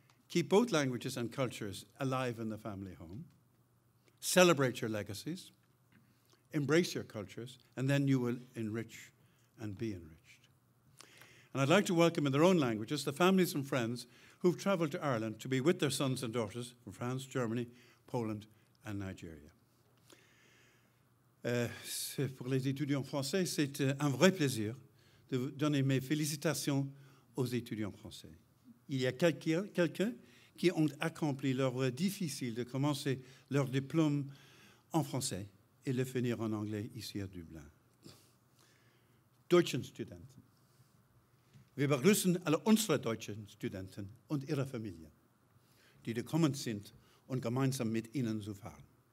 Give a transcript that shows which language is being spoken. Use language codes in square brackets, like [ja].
[en] Keep both languages and cultures alive in the family home. Celebrate your legacies. Embrace your cultures, and then you will enrich and be enriched. And I'd like to welcome in their own languages the families and friends who've traveled to Ireland to be with their sons and daughters from France, Germany, Poland and Nigeria. [fr] Pour les étudiants français, c'est un vrai plaisir de donner mes félicitations aux étudiants français. Il y a quelqu'un qui ont accompli l'œuvre difficile de commencer leur diplôme en français et le finir en anglais ici à Dublin. [de] Deutschen Studenten. Wir begrüßen alle unsere deutschen Studenten und ihre Familien, die gekommen sind, und gemeinsam mit ihnen zu fahren.